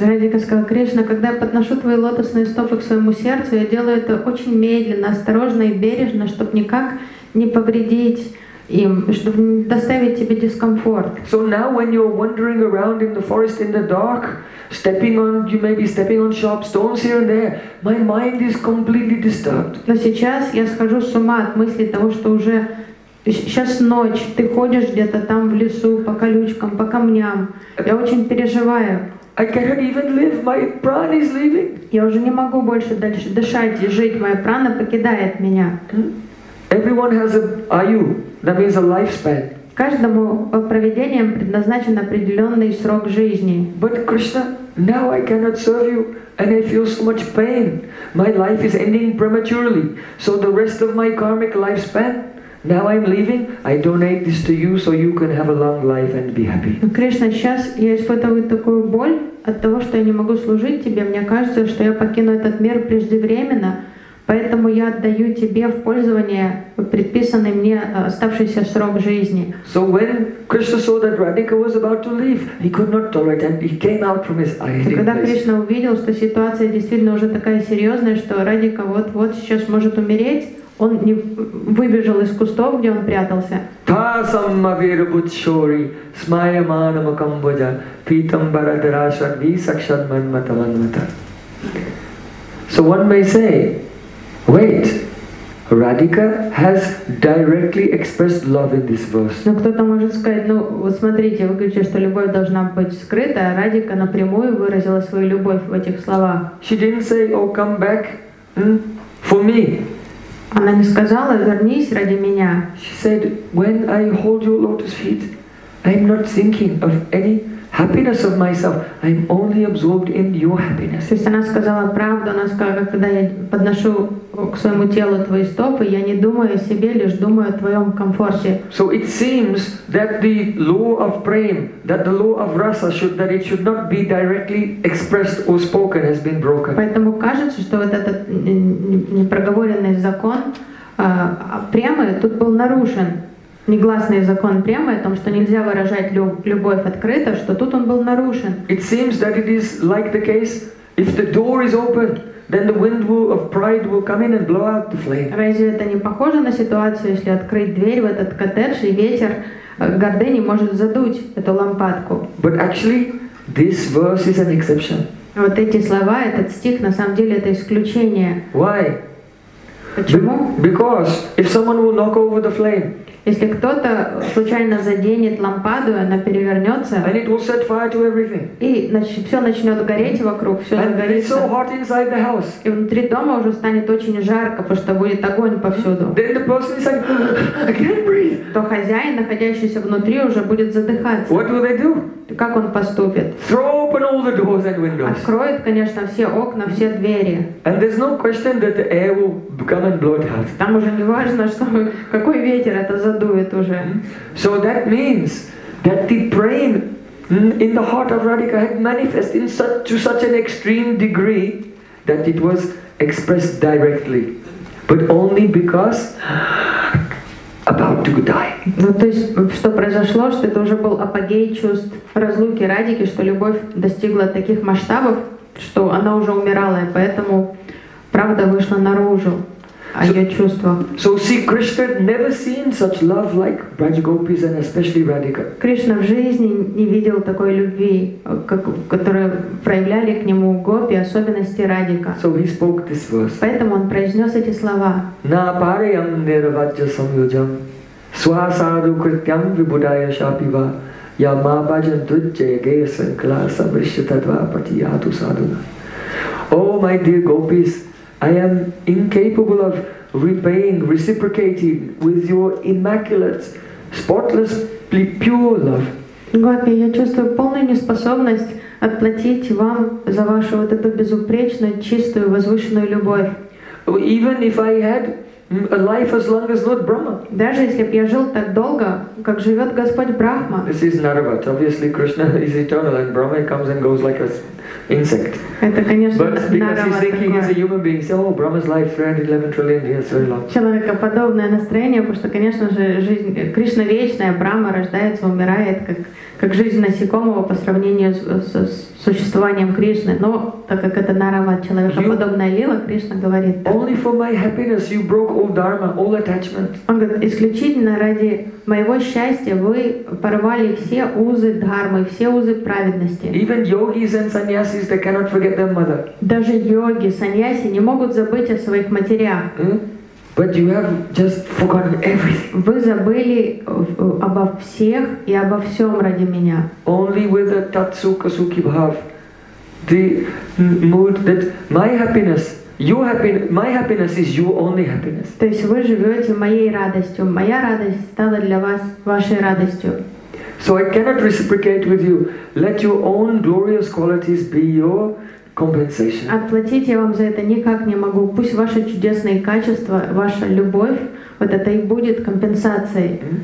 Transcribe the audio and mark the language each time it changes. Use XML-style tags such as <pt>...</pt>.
<ru>Радика сказала, Кришна, когда я подношу твои лотосные стопы к своему сердцу, я делаю это очень медленно, осторожно и бережно, чтобы никак не повредить им, чтобы не доставить тебе дискомфорт.</ru> <en>So now when you're wandering around in the forest in the dark, stepping on sharp stones here and there, my mind is completely disturbed.</en> <ru>Но сейчас я схожу с ума от мысли того, что уже сейчас ночь, ты ходишь где-то там в лесу по колючкам, по камням. Я очень переживаю.</ru> <en>I cannot even live. My prana is leaving.</en> <ru>Я уже не могу больше дальше дышать и жить. Моя прана покидает меня.</ru> <en>Everyone has a ayu, that means a lifespan.</en> <ru>Каждому провидением предназначен определенный срок жизни.</ru> <en>But Krishna, now I cannot serve you, and I feel so much pain. My life is ending prematurely, so the rest of my karmic lifespan, now I'm leaving. I donate this to you, so you can have a long life and be happy.</en> <ru>Кришна, сейчас я испытываю такую боль от того, что я не могу служить тебе. Мне кажется, что я покину этот мир преждевременно. Поэтому я отдаю тебе в пользование предписанный мне оставшийся срок жизни.</ru> <en>So when Krishna saw that Radhika was about to leave, he could not tolerate and he came out from his hiding place.</en> <ru>Когда Кришна увидел, что ситуация действительно уже такая серьезная, что Радика вот-вот сейчас может умереть, он не выбежал из кустов, где он прятался.</ru> <sa>Тасамавирбутшори смаяманамакамбоджа питамбарадрашадвисакшадманматаванмата.</sa> <en>So one may say, wait, Radhika has directly expressed love in this verse.</en> <ru>Но кто-то может сказать, ну вот смотрите, вы говорите, что любовь должна быть скрыта, а Радика напрямую выразила свою любовь в этих словах.</ru> <en>She didn't say, oh, come back for me.</en> <ru>Она не сказала, вернись ради меня.</ru> <en>She said, when I hold your lotus feet, I'm not thinking of any happiness of myself. I'm only absorbed in your happiness.</en> <ru>То есть она сказала правду, она сказала, когда я подношу к своему телу твои стопы, я не думаю о себе, лишь думаю о твоем комфорте.</ru> <en>So it seems that the law of prema, that the law of rasa, that it should not be directly expressed or spoken, has been broken.</en> <ru>Поэтому кажется, что вот этот непроговоренный закон премы тут был нарушен. Негласный закон прямо о том, что нельзя выражать любовь открыто, что тут он был нарушен.</ru> <en>It seems that it is like the case, if the door is open, then the wind of pride will come in and blow out the flame.</en> <ru>Разве это не похоже на ситуацию, если открыть дверь в этот коттедж, и ветер гордыни может задуть эту лампадку?</ru> <en>But actually, this verse is an exception.</en> <ru>Вот эти слова, этот стих, на самом деле, это исключение.</ru> <en>Why?</en> <ru>Почему?</ru> <en>Because if someone will knock over the flame,</en> <ru>если кто-то случайно заденет лампаду, она перевернется,</ru> <en>and it will set fire to everything.</en> <ru>И все начнет гореть вокруг, все загорится.</ru> <en>And it's so hot inside the house.</en> <ru>И внутри дома уже станет очень жарко, потому что будет огонь повсюду.</ru> <en>Then the person is like, I can't breathe.</en> <ru>То хозяин, находящийся внутри, уже будет задыхаться.</ru> <en>What will they do?</en> <ru>Как он поступит?</ru> <en>Throw open all the doors and windows.</en> <ru>Откроет, конечно, все окна, все двери.</ru> <en>And there's no question that the air will come and blow it out.</en> <ru>Там уже не важно, что, какой ветер это задует уже.</ru> <en>So that means that the prema in the heart of Radhika had manifested in such, to such an extreme degree that it was expressed directly, but only because about to die.</en> <ru>Ну то есть что произошло, что это уже был апогей чувств разлуки Радики, что любовь достигла таких масштабов, что она уже умирала, и поэтому правда вышла наружу. А я чувство.</ru> <en>So see, Krishna never seen such love like Braj Gopis and especially Radhika.</en> <ru>Кришна в жизни не видел такой любви, как которую проявляли к нему гопи, особенности Радика.</ru> <en>So he spoke this verse.</en> <ru>Поэтому он произнес эти слова.</ru> <sa>На парям нирваджа самюджам, свасаду критям вибудая шапива, я ма баджан дуджа гея санкла самришта двапати яду садуна.</sa> <en>Oh my dear gopis, I am incapable of repaying, reciprocating with your immaculate, spotlessly pure love.</en> <ru>Гопи, я чувствую полную неспособность отплатить вам за вашу вот эту безупречную, чистую, возвышенную любовь.</ru> <en>Even if I had a life as long as Lord Brahma.</en> <ru>Даже если б я жил так долго, как живет Господь Брахма.</ru> <en>This is Narvat. Obviously, Krishna is eternal, and Brahma comes and goes like a insect.</en> <ru>Это, конечно,</ru> <en>but because he's thinking he's a human being, so oh, Brahma's life 311 trillion years, very long.</en> <ru>Человекоподобное настроение, потому что, конечно же, жизнь Кришна вечная, Брахма рождается, умирает, как жизнь насекомого по сравнению с существованием Кришны. Но так как это нарава, человекоподобная лила, Кришна говорит так.</ru> <en>Only for my happiness you broke all dharma, all attachment.</en> <ru>Он говорит, исключительно ради моего счастья вы порвали все узы дхармы, все узы праведности.</ru> <en>Even yogis and sannyasis, they cannot forget their mother.</en> <ru>Даже йоги, саньяси не могут забыть о своих матерях.</ru> <en>But you have just forgotten everything.</en> <ru>Вы забыли обо всех и обо всем ради меня.</ru> <en>Only with a tatsuka suki bhav, the mood that my happiness, your happiness, my happiness is your only happiness.</en> <ru>То есть вы живете моей радостью, моя радость стала для вас вашей радостью.</ru> <en>So I cannot reciprocate with you. Let your own glorious qualities be your compensation.</en> <ru>Отплатить я вам за это никак не могу. Пусть ваши чудесные качества, ваша любовь, вот это и будет компенсацией.</ru>